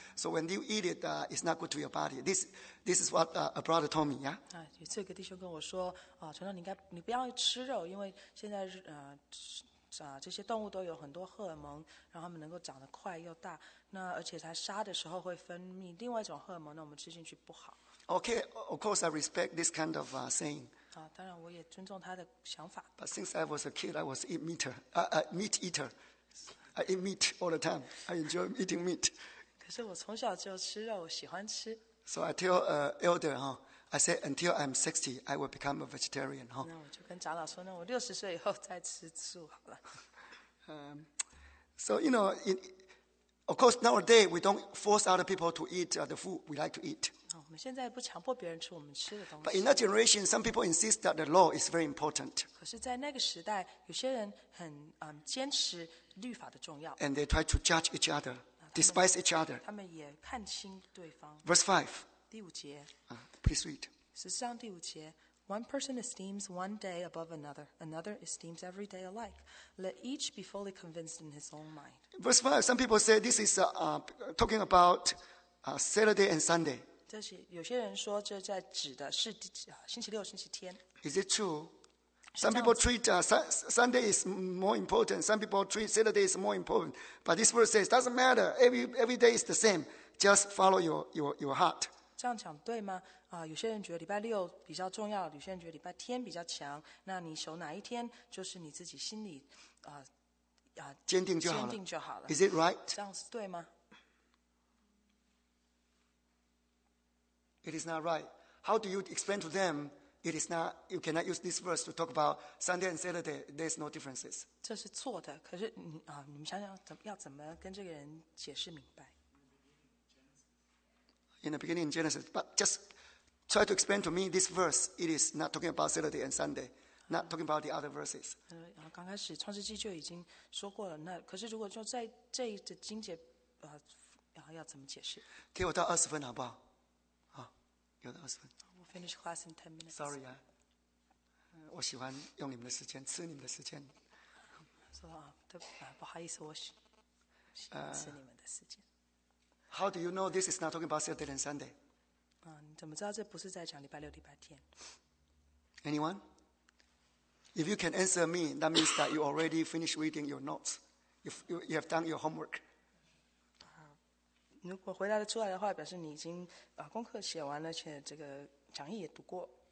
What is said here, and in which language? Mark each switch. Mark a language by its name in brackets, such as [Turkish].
[English] So when you eat it, it's not good to your body. This is what a brother told me, yeah? [Chinese] 有一个弟兄跟我说，传道，你不要吃肉，因为现在这些动物都有很多荷尔蒙，然后它们能够长得快又大，那而且它杀的时候会分泌另外一种荷尔蒙，那我们吃进去不好。 [English] Okay, of course I respect this kind of saying. [Chinese] 当然我也尊重他的想法。 [English] But since I was a kid, I was meat eater. I eat meat all the time. I enjoy eating meat. [Chinese] 可是我从小就吃肉，我喜欢吃。 [English] So I tell elder, I say until I'm 60, I will become a vegetarian. [Chinese] 那我就跟长老说，那我60岁以后再吃素好了。 [English] So you know, of course nowadays we don't force other people to eat the food we like to eat. [Chinese] 我们现在不强迫别人吃我们吃的东西。 [English] But in that generation, some people insist that the law is very important. [Chinese] 可是，在那个时代，有些人很坚持律法的重要。 [English] And they try to judge each other, despise each other. [Chinese] 他们也看轻对方。 [English] Verse 5. [Chinese] 第五节。 [English] Please read. [Chinese] 十四章第五节。 [English] One person esteems one day above another. Another esteems every day alike. Let each be fully convinced in his own mind. Verse 5. Some people say this is talking about Saturday and Sunday. [Chinese] 这是有些人说这在指的是星期六星期天。 [English] Is it true? Some people treat Sunday is more important. Some people treat Saturday is more important. But this verse says doesn't matter. Every day is the same. Just follow your heart. [Chinese] 这样讲对吗？有些人觉得礼拜六比较重要，有些人觉得礼拜天比较强。那你守哪一天，就是你自己心里坚定就好了。坚定就好了。 [English] Is it right? [Chinese] 这样是对吗？ [English] It is not right. How do you explain to them it is not, you cannot use this verse to talk about Sunday and Saturday, there's no differences. [Chinese] 这是错的，可是你们想想要怎么跟这个人解释明白。 [English] In the beginning in Genesis, but just try to explain to me this verse, it is not talking about Saturday and Sunday. Not talking about the other verses. [Chinese] 刚开始创世纪就已经说过了。那可是如果就在这一节经节，要怎么解释？给我到二十分好不好？好，有的二十分。 [English] We'll finish class in 10 minutes. [Chinese] Sorry 啊，我喜欢用你们的时间，吃你们的时间。说啊，不好意思，我喜欢吃你们的时间。 [English] How do you know this is not talking about Saturday and Sunday? [Chinese] 你怎么知道这不是在讲礼拜六、礼拜天 [English] ？Anyone? If you can answer me, that means that you already finished reading your notes. You have done your homework. [Chinese] 如果回答得出来的话，表示你已经功课写完了，且这个讲义也读过。